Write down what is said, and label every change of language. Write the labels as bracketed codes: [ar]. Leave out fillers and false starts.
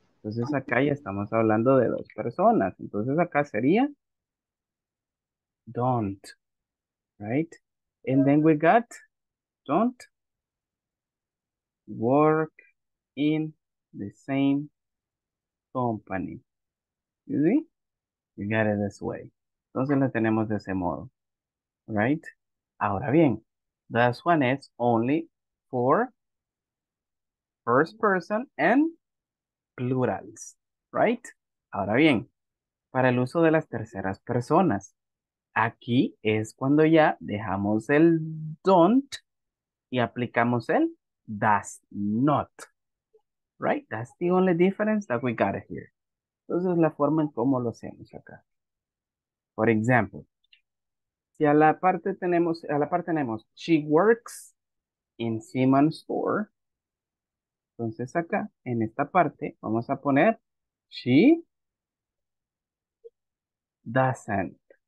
[es] Entonces acá ya estamos hablando de dos personas. Entonces acá sería don't, right? [en] And then we got don't work in the same company. You see? You got it this way. [es] Entonces la tenemos de ese modo, [en] right? [es] Ahora bien, [en] this one is only for first person and plurals, right? [es] Ahora bien, para el uso de las terceras personas, aquí es cuando ya dejamos el don't y aplicamos el does not, right? [en] That's the only difference that we got here. [es] Entonces, la forma en cómo lo hacemos acá. [en] For example, [es] si a la parte tenemos, [en] she works in Simon's store, [es] entonces acá, en esta parte, vamos a poner [en] she doesn't.